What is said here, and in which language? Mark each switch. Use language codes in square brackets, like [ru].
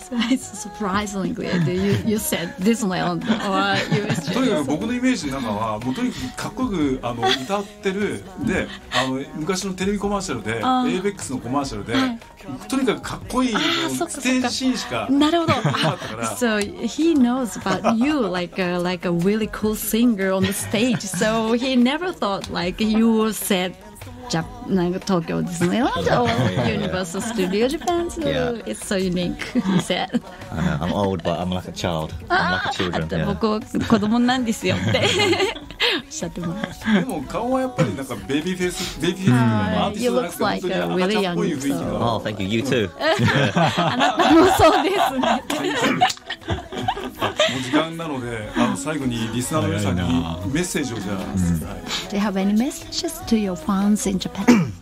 [en] It's surprisingly you said this one or USJ. [ja] とにかく僕のイメージの中はもうとにかくかっこよくあの歌ってるであの昔のテレビコマーシャルで ABEX のコマーシャルでとにかくかっこいいステージシーンしかなかったから。 [en] So he knows about you like a really cool singer on the stage. So he never thought like you said. Tokyo Disneyland or Universal Studio Japan, so it's so unique, he said. I know, I'm old, but I'm like a child. I'm like a children, yeah. [ja] 僕は子供なんですよっておっしゃってます。でも顔はやっぱりなんかベビーフェイス、ベビーフェイスのアーティストなんです [en] よ。You look like a really young girl. Oh, thank you, you too. [ja] あなたもそうですね。もう時間なのであの最後にリスナーの皆さんにメッセージをじゃあ、 [en] Do you have any messages to your fans in Japan?